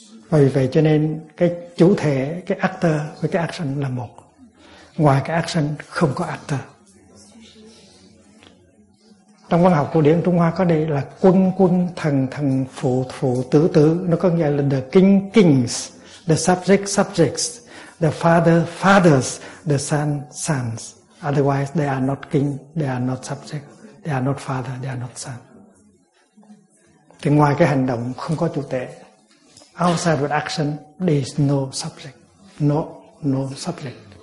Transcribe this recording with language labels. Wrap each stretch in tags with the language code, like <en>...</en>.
<vi>Vì vậy cho nên cái chủ thể, cái actor với cái action là một. Ngoài cái action không có actor. Trong văn học cổ điển Trung Hoa có đây là quân quân thần thần phụ phụ tử tử. Nó có nghĩa là</vi> <en>the king, kings. The subject, subjects. The father, fathers, the son, sons. Otherwise, they are not king, they are not subject, they are not father, they are not son.</en> <vi>Thì ngoài cái hành động không có chủ thể.</vi> <en>Outside with action, there is no subject. No subject.</en>